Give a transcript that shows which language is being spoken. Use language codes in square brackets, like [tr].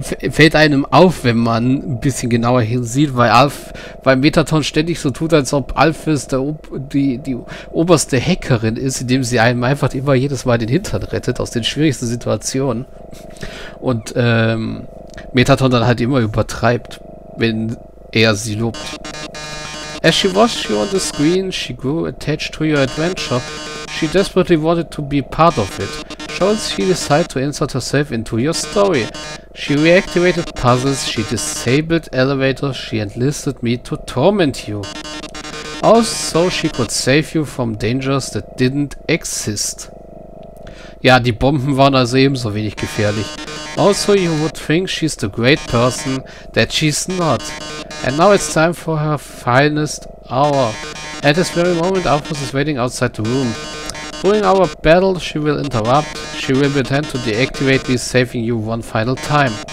[de] Fällt einem auf, wenn man ein bisschen genauer hinsieht, weil Metatron ständig so tut, als ob Alphys die oberste Hackerin ist, indem sie einem einfach immer jedes Mal den Hintern rettet, aus den schwierigsten Situationen. Und Metatron dann halt immer übertreibt, wenn er sie lobt. [en] As she watched you on the screen, she grew attached to your adventure. She desperately wanted to be part of it. Shows she decided to insert herself into your story. She reactivated puzzles, she disabled elevators, she enlisted me to torment you. Also she could save you from dangers that didn't exist. [de] Ja, die Bomben waren also ebenso wenig gefährlich. [en] Also you would think she's the great person, that she's not. And now it's time for her finest hour. At this very moment, Alphys is waiting outside the room. During our battle, she will interrupt. She will pretend to deactivate me, saving you one final time.